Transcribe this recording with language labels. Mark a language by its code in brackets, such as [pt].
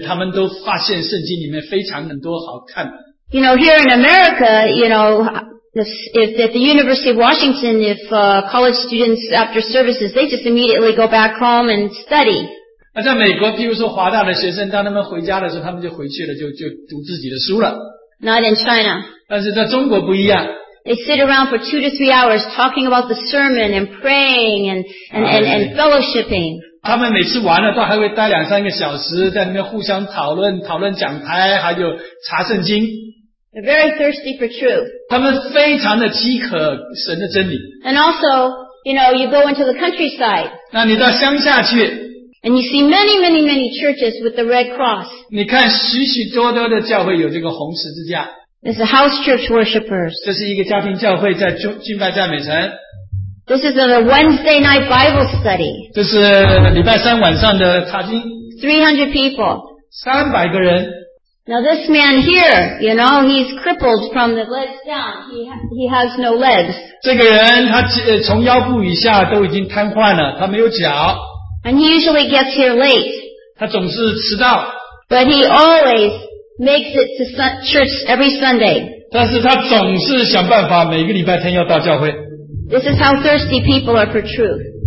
[zh] 许多大学生,许多有学问的人,他们都发现圣经里面非常很多好看。 [en] You know, here in America, you know, if at the University of Washington, if college students after services, they just immediately go back home and study. [zh] 在美国,比如说华大的学生,当他们回家的时候,他们就回去了,就读自己的书了。 [en] Not in China. [zh] 但是在中国不一样。 [en] They sit around for 2 to 3 hours talking about the sermon and praying and fellowshipping. [zh] 他们每次完了都还会待两三个小时,在那边互相讨论,讨论讲台,还有查圣经。 [en] They're very thirsty for truth. [zh] 他们非常的饥渴神的真理。 [en] And also, you know, you go into the countryside. [zh] 那你到乡下去。 [en] And you see many, many, many churches with the red cross. [zh] 你看许许多多的教会有这个红十字架。 [en] This is house church worshippers. [zh] 这是一个家庭教会在敬拜赞美神。 [en] This is a Wednesday night Bible study. [zh] 这是礼拜三晚上的查经。 [en] 300 people. [zh] 300个人。 [en] Now this man here, you know, he's crippled from the legs down. He has no legs. [zh] 这个人他从腰部以下都已经瘫痪了，他没有脚。 [en] And he usually gets here late. [zh] 他总是迟到。 [en] But he always makes it to church every Sunday. [zh] 但是他总是想办法每个礼拜天要到教会。 [en] This is how thirsty people are for truth.